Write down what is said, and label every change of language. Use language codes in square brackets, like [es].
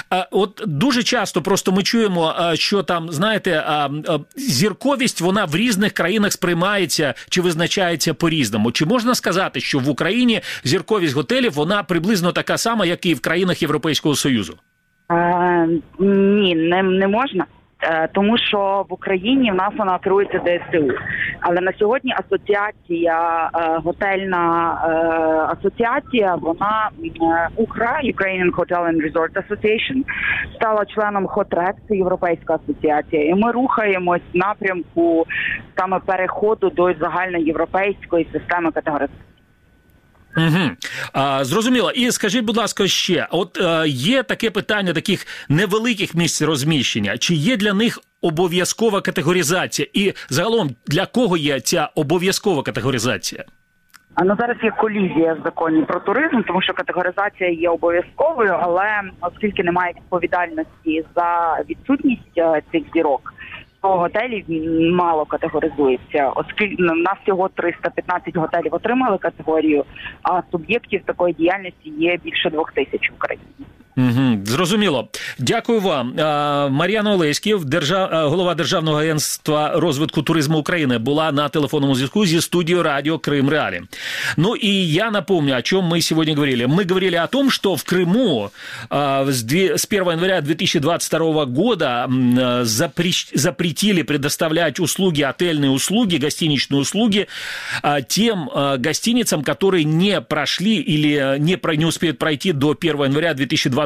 [uk] От дуже часто просто ми чуємо, що там, знаєте, зірковість, вона в різних країнах сприймається чи визначається по-різному. Чи можна сказати, що в Україні зірковість готелів, вона приблизно така сама, як і в країнах Європейського Союзу? Ні, не можна. Тому що в Україні в нас вона керується ДСТУ. Але на сьогодні асоціація, готельна асоціація, вона УКРА, Ukrainian Hotel and Resort Association, стала членом ХОТРЕК, це Європейська асоціація. І ми рухаємось в напрямку саме переходу до загальноєвропейської системи категоризації. Угу. Зрозуміло. І скажіть, будь ласка, ще, от є таке питання таких невеликих місць розміщення, чи є для них обов'язкова категоризація? І загалом, для кого є ця обов'язкова категоризація? Ну, зараз є колізія в законі про туризм, тому що категоризація є обов'язковою, але оскільки немає відповідальності за відсутність цих зірок, готелів мало категоризується, оскільки у нас всього 315 готелів отримали категорію, а суб'єктів такої діяльності є більше 2000 в Україні. Угу, зрозуміло. Дякую вам. Мар'яна Олеськів, голова Державного агентства розвитку туризму України, була на телефонному зв'язку зі студією радіо «Крим Реалі». Ну і я напомню, о чому ми сьогодні говорили. [ru] Ми говорили о том, [uk] що в Криму з [ru] 1 января 2022 года запретили предоставлять услуги, отельные услуги, гостиничные услуги тем гостиницам, которые не прошли или не успеют пройти до 1 января 2022 года.